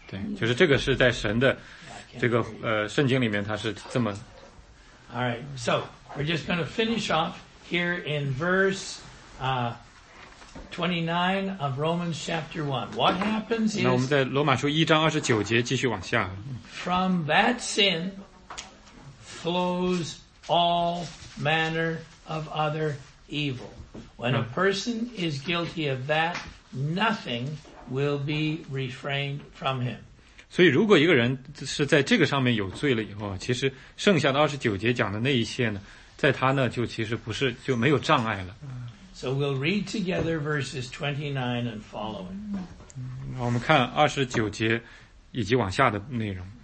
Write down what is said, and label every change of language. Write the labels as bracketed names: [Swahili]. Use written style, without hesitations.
[Chinese] 对，就是这个是在神的这个圣经里面，它是这么。 [English] All right, so we're just going to finish off here in verse 29 of Romans chapter 1. What happens is, [Chinese] 那我们在罗马书一章二十九节继续往下。 [English] From that sin flows all manner of other evil. When a person is guilty of that, nothing will be refrained from him. [Chinese] 所以如果一个人是在这个上面有罪了以后，其实剩下的二十九节讲的那一些呢，在他呢就其实不是，就没有障碍了。 [English] So we'll read together verses 29 and following. [Chinese] 我们看二十九节以及往下的内容。